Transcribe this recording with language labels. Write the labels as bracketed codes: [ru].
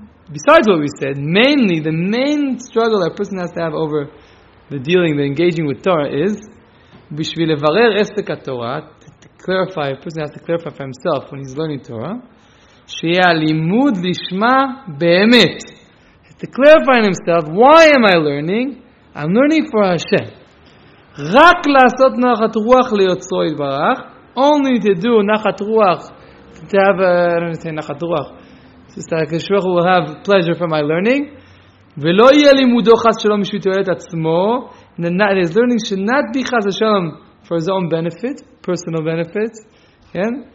[en] Besides what we said, mainly the main struggle a person has to have over the dealing, the engaging with Torah is [he] b'shvi levarer esek haTorah, [en] to clarify, a person has to clarify for himself when he's learning Torah, [he] she'ya limud lishma be'emet. [en] To clarify in himself, why am I learning? I'm learning for Hashem. [he] רק לעשות נחת רוח ליוצרו יתברך. [en] Only to do נחת רוח. To have, I don't say נחת רוח. It's just like, Hashem will have pleasure from my learning. [he] ולא יהיה לימודו חס שלום בשביל תועלת עצמו, [en] and is learning should not be חס השלום for his own benefit, personal benefit, כן?